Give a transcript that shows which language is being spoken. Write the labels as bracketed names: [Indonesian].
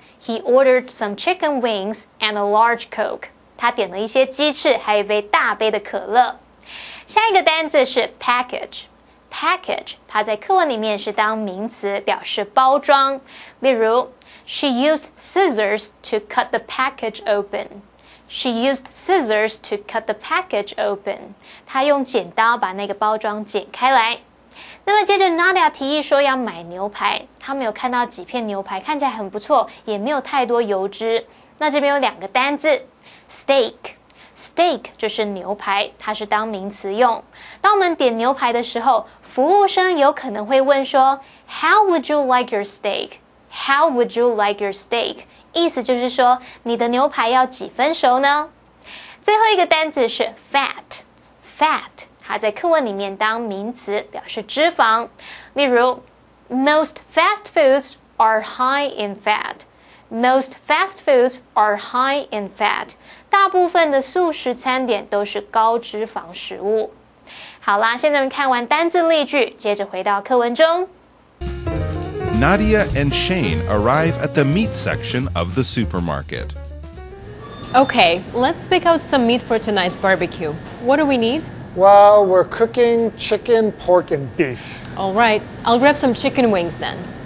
[English] He ordered some chicken wings and a large coke. [Chinese] 他点了一些鸡翅，还有一杯大杯的可乐。下一个单字是 package. Package 它在课文里面是当名词，表示包装。例如 [English] ，She used scissors to cut the package open. She used scissors to cut the package open. [Chinese] 她用剪刀把那个包装剪开来。那么接着 Nadia 提议说要买牛排。她没有看到几片牛排，看起来很不错，也没有太多油脂。那这边有两个单字 ,steak。Steak 就是牛排，它是当名词用。当我们点牛排的时候，服务生有可能会问说 , [English] How would you like your steak? How would you like your steak? [Chinese] 意思就是说你的牛排要几分熟呢？最后一个单字是 fat. Fat, 它在课文里面当名词表示脂肪。例如 [English] ,most fast foods are high in fat. Most fast foods are high in fat. [Chinese] 大部分的素食餐点都是高脂肪食物。好啦，现在我们看完单字例句，接着回到课文中。 [English] Nadia and Shane arrive at the meat section of the supermarket. Okay, let's pick out some meat for tonight's barbecue. What do we need? Well, we're cooking chicken, pork, and beef. All right, I'll grab some chicken wings then.